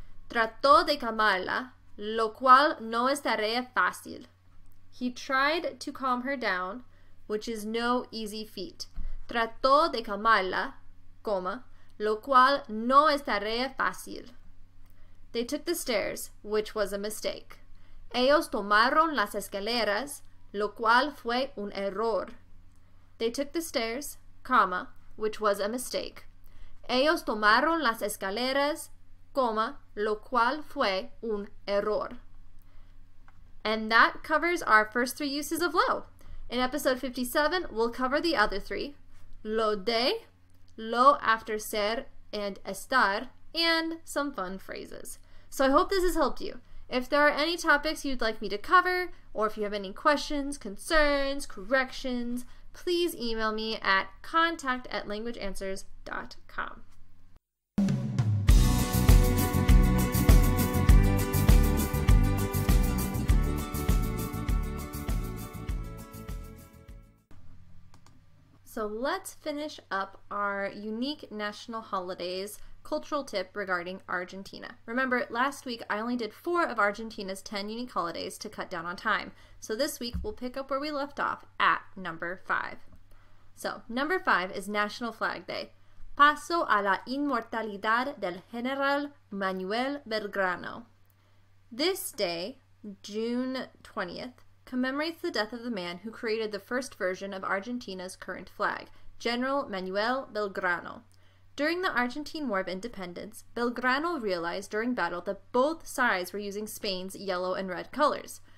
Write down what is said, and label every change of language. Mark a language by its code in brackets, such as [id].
[es] Trató de calmarla, lo cual no es tarea fácil. [en] He tried to calm her down, which is no easy feat. [es] Trató de calmarla, coma, lo cual no es tarea fácil. [en] They took the stairs, which was a mistake. [es] Ellos tomaron las escaleras, lo cual fue un error. [en] They took the stairs, comma, which was a mistake. [es] Ellos tomaron las escaleras, coma, lo cual fue un error. [en] And that covers our first three uses of lo. In episode 57, we'll cover the other three: lo de, lo after ser and estar, and some fun phrases. So I hope this has helped you. If there are any topics you'd like me to cover, or if you have any questions, concerns, corrections, please email me at contact@languageanswers.com. So let's finish up our unique national holidays cultural tip regarding Argentina. Remember, last week I only did four of Argentina's 10 unique holidays to cut down on time. So this week we'll pick up where we left off at number five. So number five is National Flag Day. [es] Paso a la inmortalidad del General Manuel Belgrano. [en] This day, June 20th, commemorates the death of the man who created the first version of Argentina's current flag, General Manuel Belgrano. During the Argentine War of Independence, Belgrano realized during battle that both sides were using Spain's yellow and red colors.